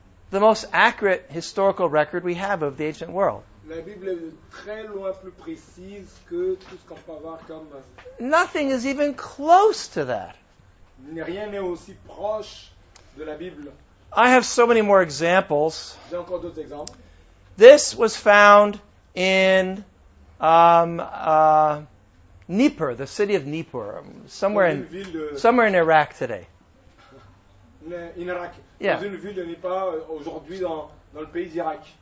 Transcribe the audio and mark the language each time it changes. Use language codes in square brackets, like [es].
[en] the most accurate historical record we have of the ancient world. [fr] La Bible est très loin plus précise que tout ce qu'on peut avoir comme... [en] Nothing is even close to that. [fr] Rien n'est aussi proche de la Bible. [en] I have so many more examples. [fr] J'ai encore d'autres exemples. [en] This was found in Nippur, the city of Nippur, somewhere in Iraq today. In Iraq. Yeah. [fr] Dans une ville de Nippur aujourd'hui dans le pays d'Irak.